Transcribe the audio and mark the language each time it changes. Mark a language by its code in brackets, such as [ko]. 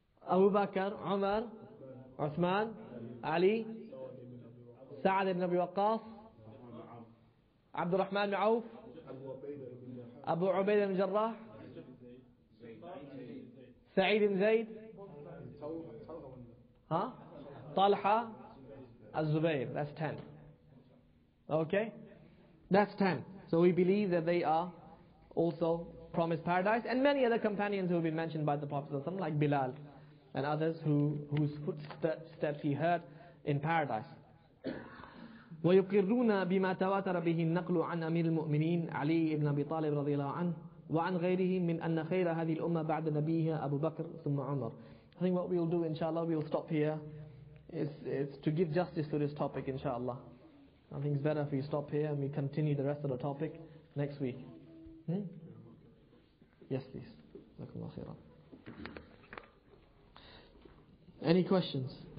[en] Abu Bakr, Umar, Uthman, Ali, Sa'ad ibn Abi Waqqas, Abdurrahman ibn Auf, Abu Ubaid ibn Jarrah, Sa'id ibn Zayd, Talha, Az-Zubair. That's 10. Okay? That's 10. So we believe that they are also promised paradise, and many other companions who have been mentioned by the Prophet ﷺ, like Bilal and others whose footsteps he heard in paradise. [ar] وَيُقِرُّونَ بِمَا تَوَاتَرَ بِهِ النَّقْلُ عَنْ أَمِيرِ الْمُؤْمِنِينَ عَلِي إِبْنَ أَبِي طَالِبٍ رَضِي اللَّهُ عَنْهُ وَعَنْ غَيْرِهِمْ مِنْ أَنَّ خَيْرَ هَذِهِ الْأُمَّةِ بَعْدَ نَبِيِّهَا أَبُو بَكْرٍ ثُمَّ عُمَرٍ. [en] I think what we'll do, inshallah, we'll stop here. It's to give justice to this topic, inshallah. I think it's better if we stop here and we continue the rest of the topic next week. Yes, please. Jazakumullah khairan. Any questions?